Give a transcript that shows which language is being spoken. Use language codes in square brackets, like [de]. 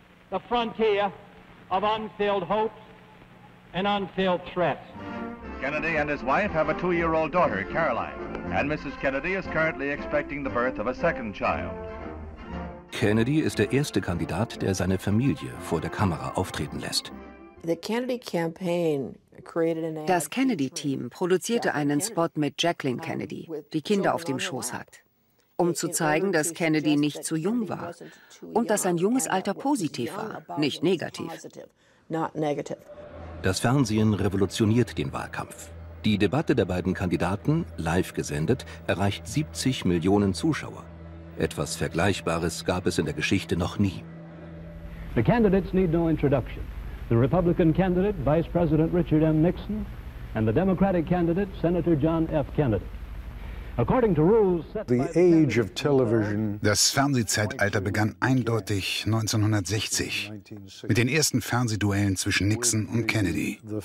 [en] The frontier of unfilled hopes and unfilled threats. Kennedy and his wife have a two-year-old daughter, Caroline. And Mrs. Kennedy is currently expecting the birth of a second child. [de] Kennedy ist der erste Kandidat, der seine Familie vor der Kamera auftreten lässt. Das Kennedy-Team produzierte einen Spot mit Jacqueline Kennedy, die Kinder auf dem Schoß hat, um zu zeigen, dass Kennedy nicht zu jung war und dass sein junges Alter positiv war, nicht negativ. Das Fernsehen revolutioniert den Wahlkampf. Die Debatte der beiden Kandidaten, live gesendet, erreicht 70 Millionen Zuschauer. Etwas Vergleichbares gab es in der Geschichte noch nie. [en] The candidates need no introduction. The Republican candidate, Vice President Richard M. Nixon, and the Democratic candidate, Senator John F. Kennedy. [de] Das Fernsehzeitalter begann eindeutig 1960 mit den ersten Fernsehduellen zwischen Nixon und Kennedy.